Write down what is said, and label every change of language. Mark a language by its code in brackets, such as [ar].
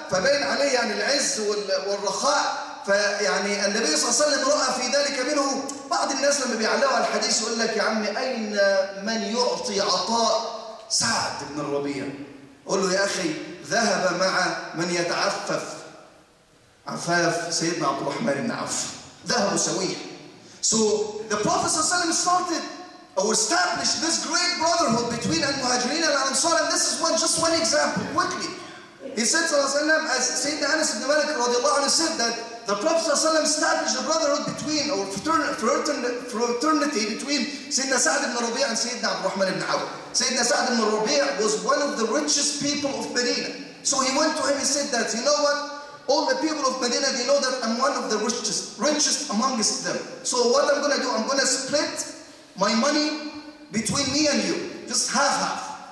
[ar] فبين عليه يعني العز والرخاء. فيعني النبي صلى الله عليه وسلم رأى في ذلك منه. بعض الناس لما بيعلقوا على الحديث يقول لك يا عمي أين من يعطي عطاء سعد بن الربيع؟ قل له يا أخي ذهب مع من يتعفف عفاف سيدنا عبد الرحمن بن عوف. ذهبوا سويا. [en] So the Prophet صلى الله عليه وسلم started or established this great brotherhood between المهاجرين and الأنصار. And this is one, just one example quickly. He said, صلى الله عليه وسلم, as سيدنا أنس بن مالك رضي الله عنه said that the Prophet صلى الله عليه وسلم established the brotherhood between or fraternity between سيدنا سعد بن ربيع and سيدنا عبد الرحمن بن عوف. سيدنا سعد بن ربيع was one of the richest people of Medina. So he went to him and said that, you know what? All the people of Medina, they know that I'm one of the richest amongst them. So what I'm going to do, I'm going to split my money between me and you, just half-half.